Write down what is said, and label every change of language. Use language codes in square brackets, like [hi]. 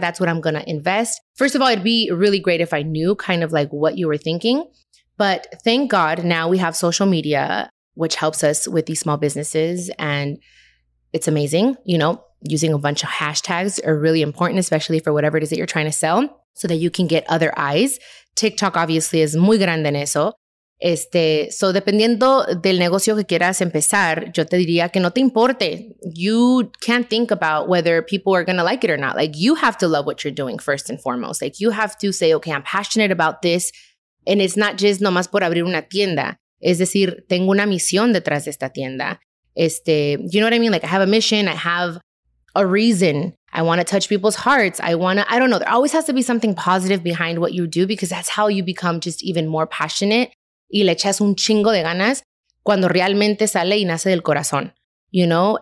[en] That's what I'm going to invest. First of all, it'd be really great if I knew kind of like what you were thinking. But thank God now we have social media, which helps us with these small businesses. And it's amazing, you know, using a bunch of hashtags are really important, especially for whatever it is that you're trying to sell so that you can get other eyes. [es] TikTok [en] obviously is [es] muy grande en eso. So dependiendo del negocio que quieras empezar, yo te diría que no te importe. [en] You can't think about whether people are going to like it or not. Like, you have to love what you're doing first and foremost. Like, you have to say, okay, I'm passionate about this. And it's not just [es] nomás por abrir una tienda. Es decir, tengo una misión detrás de esta tienda. [en] You know what I mean? Like, I have a mission. I have a reason. I want to touch people's hearts. I don't know. There always has to be something positive behind what you do because that's how you become just even more passionate. [es] Y le echas un chingo de ganas cuando realmente sale y nace del corazón, [en] you know?